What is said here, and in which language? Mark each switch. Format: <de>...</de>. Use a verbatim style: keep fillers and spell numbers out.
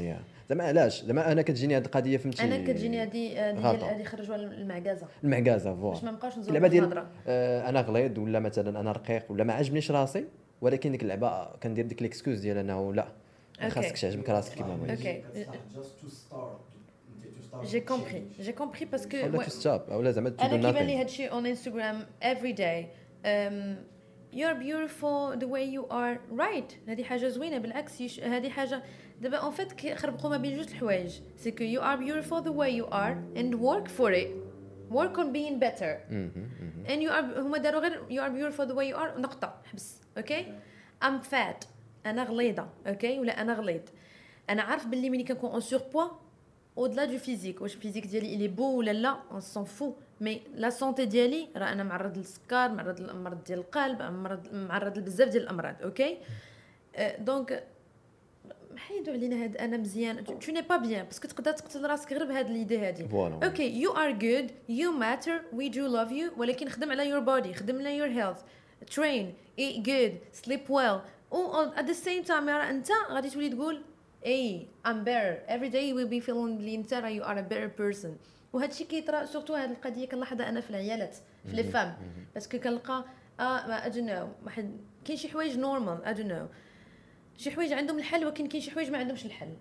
<ar>يا زعما علاش زعما انا كتجيني هاد القضيه فهمتي انا كتجيني هادي ديال هادي خرجوا المعكازه المعكازه فوا باش ما نبقاوش نزوروا الهضره. آه انا غليظ ولا مثلا انا رقيق ولا ما عجبنيش راسي، ولكن ديك اللعبه كندير ديك ليكسكوز ديال انه لا خاصك تعجبك راسك كيما بغيتي.</ar> <fr>اوكي j'ai compris j'ai compris parce que</fr> <ar>ولا تو ستوب ولا زعما انا كيبان لي هادشي اون انستغرام افري داي</ar> <en>you're beautiful the way you are right.</en> <ar>هذه حاجه زوينه بالعكس. هذه حاجه دابا اون فيت خربقوا ما بين جوج الحوايج</ar> <en>سي كو you are beautiful the way you are and work for it work on being better and you are</en> <ar>هما داروا غير</ar> <en>you are beautiful the way you are</en> <ar>نقطه حبس.</ar> <en>Okay okay? I'm fat</en> <ar>انا غليظه اوكي okay? ولا انا غليظ انا عارف باللي ملي كنكون اون سوربوا</ar> <fr>au-delà du physique</fr> <ar>واش الفيزيك ديالي</ar> <fr>il est beau</fr> <ar>ولا لا</ar> <fr>on s'en fout</fr> <ar>مي لا سونتي ديالي راه انا معرض للسكر معرض للمرض ديال القلب معرض معرض لبزاف ديال الامراض. اوكي دونك حيدوا علينا هاد انا مزيان</ar> <fr>tu n'es pas bien</fr> <ar>باسكو تقدر تقتل راسك غير بهاد اليديه هادي.</ar> <en>okay you are good you matter we do love you</en> <ar>ولكن خدم على</ar> <en>your body خدم على your health train eat good sleep well at the same time</en> <ar>انت غادي تولي تقول اي</ar> <en>I'm better every day will be feeling بلي انت you are a better person.</en> <ar>وهادشي كيطرا سورتو هاد القضيه كنلاحظها انا في العيالات في لي فام باسكو كنلقى اه</ar> <en>I don't know</en> <ar>واحد كاين شي حوايج نورمال I don't know شي حوايج عندهم الحل ولكن كاين شي حوايج ما عندهمش الحل.</ar>